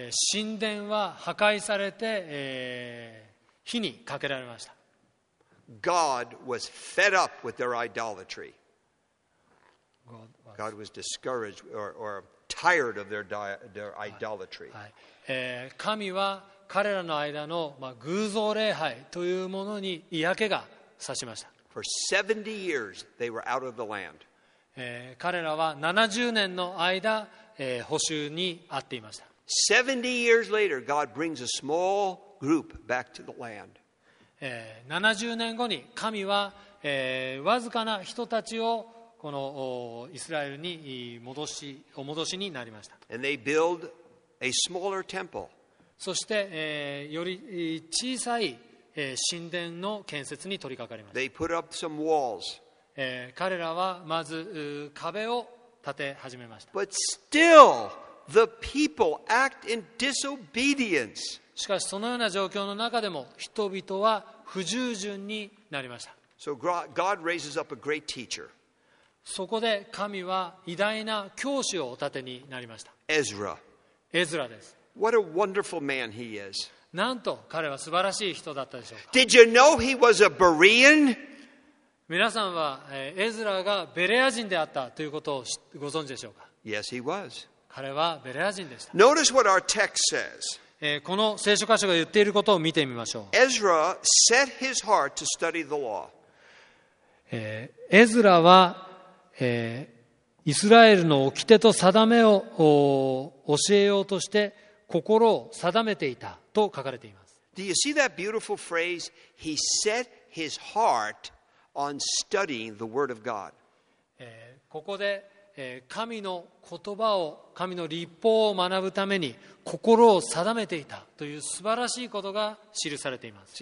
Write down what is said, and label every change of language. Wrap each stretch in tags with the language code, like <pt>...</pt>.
<ja>神殿は破壊されて、火にかけられました。</ja> <en>God was fed up with their idolatry. God was discouraged or... Tired of their idolatry.</en> <ja>神は彼らの間の偶像礼拝というものに嫌気がさしました。</ja> <en>For 70 years, they were out of the land.</en> <ja>彼らは70年の間、捕囚にあっていました。</ja> <en>70 years later, God brings a small group back to the land.</en> <ja>70年後に神は、わずかな人たちをこのイスラエルに戻しになりました。</ja> <en>And they build a smaller temple.</en> <ja>そして、より小さい、神殿の建設に取り掛かりました。</ja> <en>They put up some walls.</en> <ja>彼らはまず壁を建て始めました。</ja> <en>But still, the people act in disobedience.</en> <ja>しかしそのような状況の中でも人々は不従順になりました。</ja> <en>So God raises up a great teacher.</en> <ja>そこで神は偉大な教師をお立てになりました。</ja> <en>Ezra.</en> <ja>エズラです。</ja> <en>What a wonderful man he is.</en> <ja>なんと彼は素晴らしい人だったでしょうか。</ja> <en>Did you know he was a Berean?</en> <ja>皆さんはエズラがベレア人であったということをご存知でしょうか。</ja> <en>Yes, he was.</en> <ja>彼はベレア人でした。</ja> <en>Notice what our text says.</en> <ja>この聖書箇所が言っていることを見てみましょう。</ja> <en>Ezra set his heart to study the law.</en> <ja>エズラはイスラエルの掟と定めを教えようとして心を定めていたと書かれています。</ja> <en>Do you see that beautiful phrase? He set his heart on studying the word of God.</en> <ja>ここで、神の言葉を、神の律法を学ぶために心を定めていたという素晴らしいことが記されています。</ja>